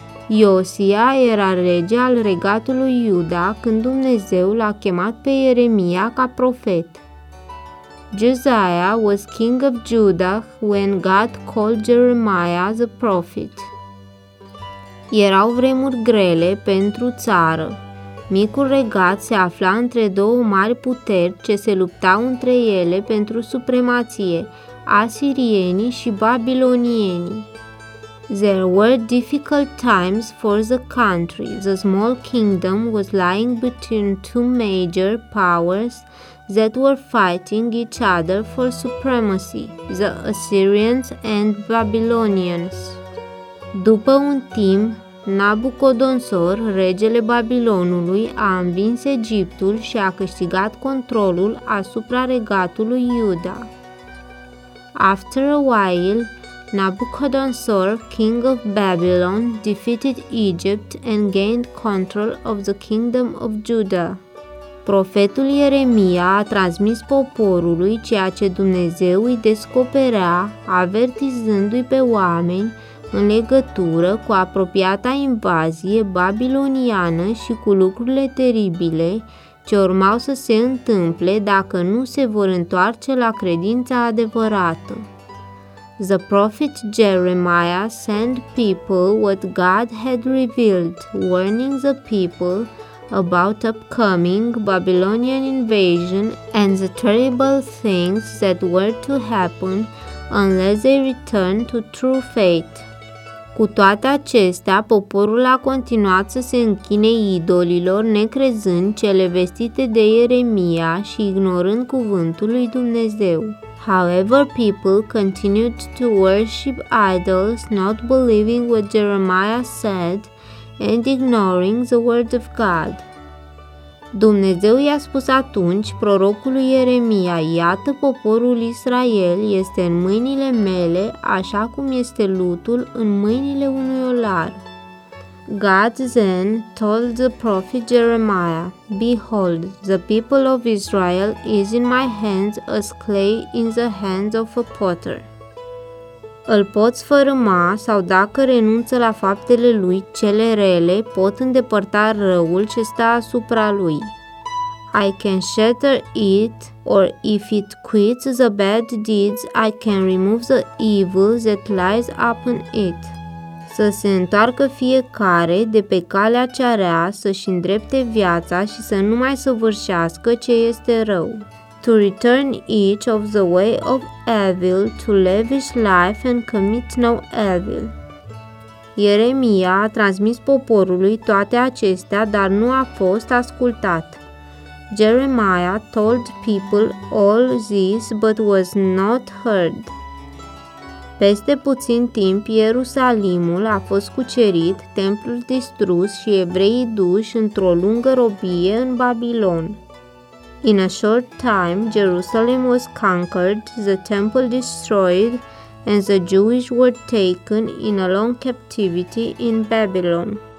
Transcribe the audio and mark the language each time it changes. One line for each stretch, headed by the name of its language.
Romanian: Iosia era rege al regatului Iuda când Dumnezeu l-a chemat pe Ieremia ca profet.
English: Josiah was king of Judah when God called Jeremiah the prophet.
Romanian: Erau vremuri grele pentru țară. Micul regat se afla între două mari puteri ce se luptau între ele pentru supremație, asirienii și babilonienii.
English: There were difficult times for the country. The small kingdom was lying between two major powers that were fighting each other for supremacy, the Assyrians and Babylonians.
Romanian: După un timp, Nabucodonosor, regele Babilonului, a învins Egiptul și a câștigat controlul asupra regatului Iuda.
English: After a while, Nabucodonosor, king of Babylon, defeated Egypt and gained control of the kingdom of Judah.
Romanian: Profetul Ieremia a transmis poporului ceea ce Dumnezeu îi descoperea, avertizându-i pe oameni în legătură cu apropiata invazie babiloniană și cu lucrurile teribile ce urmau să se întâmple dacă nu se vor întoarce la credința adevărată.
English: The prophet Jeremiah sent people what God had revealed, warning the people about upcoming Babylonian invasion and the terrible things that were to happen unless they returned to true faith.
Romanian: Cu toate acestea, poporul a continuat să se închine idolilor, necrezând cele vestite de Ieremia și ignorând cuvântul lui Dumnezeu.
English: However, people continued to worship idols, not believing what Jeremiah said and ignoring the word of God.
Romanian: Dumnezeu i-a spus atunci prorocului Ieremia, iată poporul Israel este în mâinile mele, așa cum este lutul în mâinile unui olar.
English: God then told the prophet Jeremiah, behold, the people of Israel is in my hands as clay in the hands of a potter.
Romanian: Îl poți fărâma sau dacă renunță la faptele lui, cele rele pot îndepărta răul ce stă asupra lui.
English: I can shatter it, or if it quits the bad deeds, I can remove the evil that lies upon it.
Romanian: Să se întoarcă fiecare de pe calea cea rea, să-și îndrepte viața și să nu mai săvârșească ce este rău.
English: To return each of the way of evil, to lavish life and commit no evil.
Romanian: Ieremia a transmis poporului toate acestea, dar nu a fost ascultat.
English: Jeremiah told people all this, but was not heard.
Romanian: Peste puțin timp, Ierusalimul a fost cucerit, templul distrus și evreii duși într-o lungă robie în Babilon.
English: In a short time, Jerusalem was conquered, the temple destroyed, and the Jewish were taken in a long captivity in Babylon.